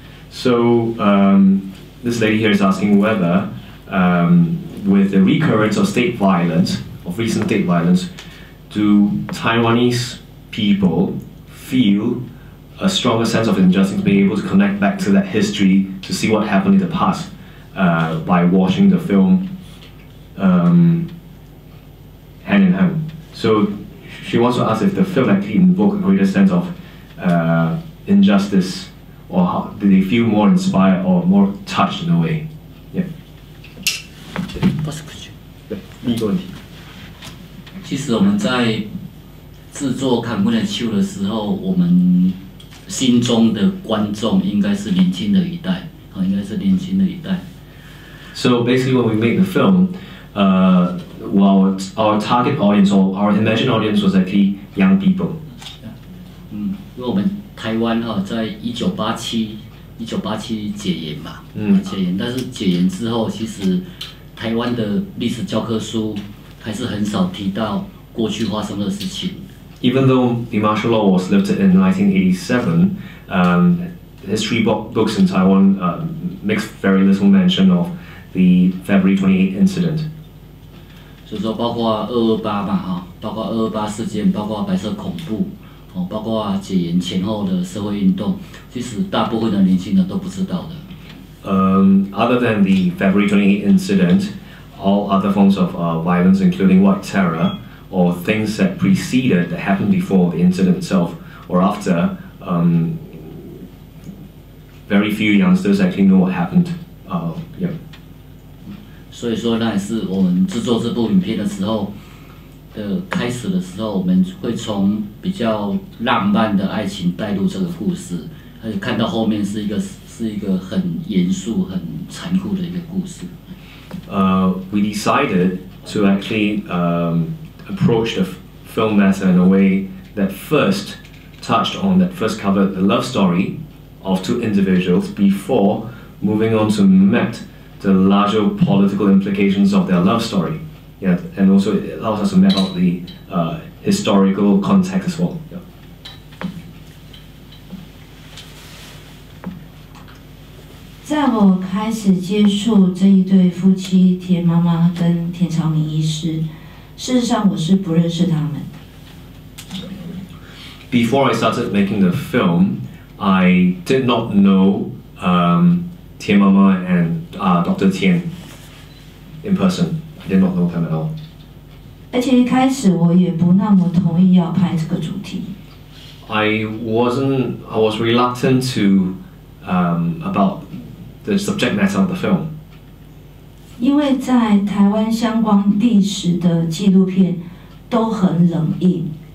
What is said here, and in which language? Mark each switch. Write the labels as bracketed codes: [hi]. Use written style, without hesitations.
[en] So this lady here is asking whether, with the recurrence of state violence, of recent state violence, do Taiwanese people feel a stronger sense of injustice to be able to connect back to that history to see what happened in the past by watching the film Hand in Hand? So she wants to ask if the film actually invoked a greater sense of injustice, or how do they feel more inspired or more touched in a way? Yeah. What's the question? Yeah, next question. [zh] 其实我们在制作《看不见秀》的时候，我们心中的观众应该是年轻的一代，应该是年轻的一代。 [en] So basically, when we made the film, our target audience or our imagined audience was actually young people. [zh] 因为我们台湾在1987解严嘛，解严，但是解严之后，其实台湾的历史教科书。还是很少提到过去发生的事情。 [en] Even though the martial law was lifted in 1987, history books in Taiwan makes very little mention of the February 28 incident. [zh] 所以说，包括228嘛，包括228事件，包括白色恐怖，包括解严前后的社会运动，其实大部分的年轻人都不知道的。 [en] Other than the February 28 incident. all other forms of violence, including white terror, or things that preceded, that happened before the incident itself or after, very few youngsters actually know what happened. Yeah. [zh] 所以说那也是我们制作这部影片的时候的开始的时候，我们会从比较浪漫的爱情带入这个故事，而看到后面是一个很严肃、很残酷的一个故事。 [en] We decided to actually approach the film as in a way that first touched on that first covered the love story of two individuals before moving on to met the larger political implications of their love story. Yeah, and also it allows us to map out the historical context as well. Yeah. When I started to meet this couple, Tian Chau-ming [zh] 妈妈跟 [en] Tian Chau-ming [zh] 医师，事实上我是不认识他们。 [en] Before I started making the film, I did not know Tian 妈妈 and Dr. Tian in person. I did not know them at all. [zh] 而且一开始我也不那么同意要拍这个主题。 [en] I was reluctant to about the subject matter of the film. [zh] 因为在台湾相关历史的纪录片都很冷硬。